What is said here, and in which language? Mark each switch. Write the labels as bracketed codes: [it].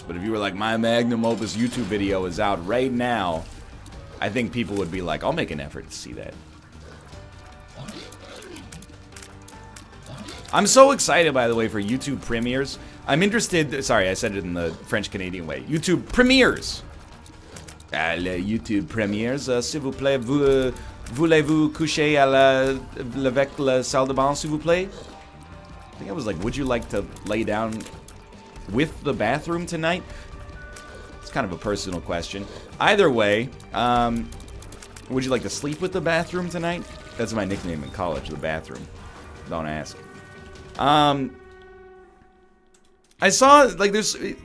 [en] But if you were like, my magnum opus YouTube video is out right now, I think people would be like, I'll make an effort to see that. I'm so excited, by the way, for YouTube premieres. I'm interested... Sorry, I said it in the French-Canadian way. YouTube premieres! [fr] YouTube premieres, s'il vous plaît, voulez-vous coucher à la... avec la salle de bain, s'il vous plaît? [en] I think I was like, would you like to lay down with the bathroom tonight? It's kind of a personal question. Either way, would you like to sleep with the bathroom tonight? That's my nickname in college, the bathroom. Don't ask. I saw, like, there's...